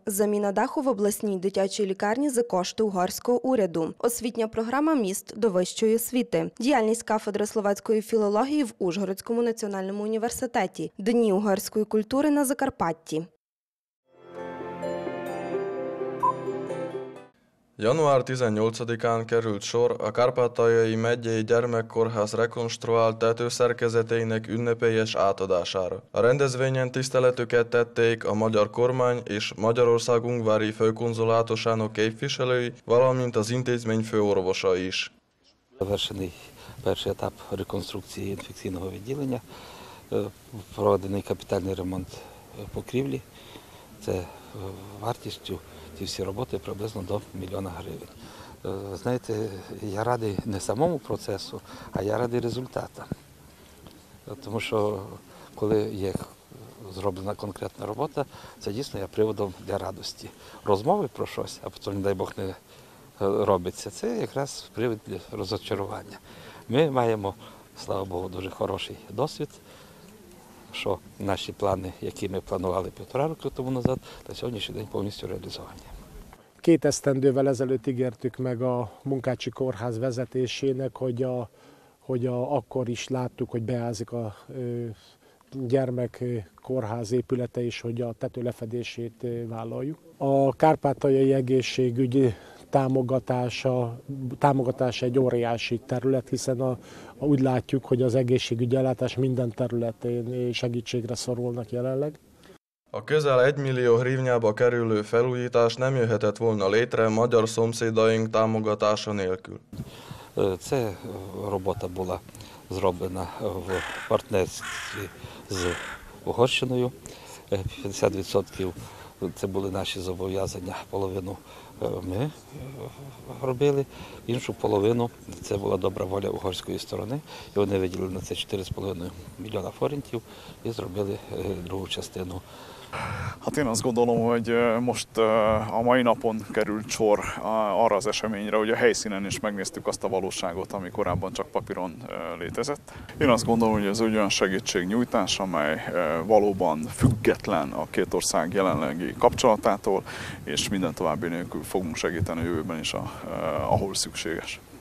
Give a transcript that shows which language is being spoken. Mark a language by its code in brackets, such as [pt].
[uk] Заміна даху в обласній дитячій лікарні за кошти угорського уряду. Освітня програма «Міст до вищої освіти». Діяльність кафедри словацької філології в Ужгородському національному університеті. Дні угорської культури на Закарпатті. [hu] Január 18-án került sor a Kárpátaljai Megyei Gyermek Kórház rekonstruált tetőszerkezeteinek ünnepélyes átadására. A rendezvényen tiszteletüket tették a magyar kormány és Magyarország ungvári főkonzulátusának képviselői, valamint az intézmény főorvosa is. [uk] Завершений перший етап реконструкції інфекційного відділення, проведений капітальний ремонт покрівлі. Це вартістю ці всі роботи приблизно до 1 000 000 гривень. Знаєте, я радий не самому процесу, а я радий результатам. Тому що коли є зроблена конкретна робота, це дійсно є приводом для радості. Розмови про щось, а потім, не дай Бог, не робиться, це якраз привід для розочарування. Ми маємо, слава Богу, дуже хороший досвід, що наші плани, які ми планували 1,5 року тому назад, на сьогоднішній день повністю реалізовані. [hu] Két esztendővel ezelőtt ígértük meg a Munkácsi Kórház vezetésének, hogy akkor is láttuk, hogy beázik a gyermek kórház épülete is, hogy a tető lefedését vállaljuk. A kárpátaljai egészségügy támogatása egy óriási terület, hiszen úgy látjuk, hogy az egészségügyi ellátás minden területén segítségre szorulnak jelenleg. A közel 1 000 000 hrivnyába kerülő felújítás nem jöhetett volna létre magyar szomszédaink támogatása nélkül. [uk] Це робота була зроблена в партнерстві з Угорщиною. 50% це були наші зобов'язання, половину ми робили, іншу половину це була добра воля угорської сторони, і вони виділили на це 4,5 мільйона форентів і зробили другу частину. [hu] Hát én azt gondolom, hogy most a mai napon került sor arra az eseményre, hogy a helyszínen is megnéztük azt a valóságot, ami korábban csak papíron létezett. Én azt gondolom, hogy ez egy olyan segítségnyújtás, amely valóban független a két ország jelenlegi kapcsolatától, és minden további nélkül fogunk segíteni a jövőben is, ahol szükséges.